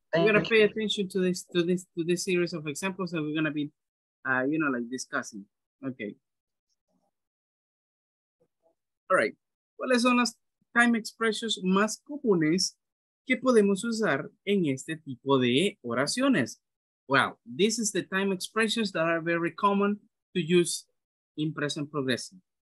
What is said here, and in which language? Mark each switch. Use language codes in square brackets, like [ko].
[en] We're going to pay attention to this series of examples that we're going to be, discussing. Okay. All right. [es] ¿Cuáles son las time expressions más comunes que podemos usar en este tipo de oraciones? [en] Well, this is the time expressions that are very common to use in present progressive.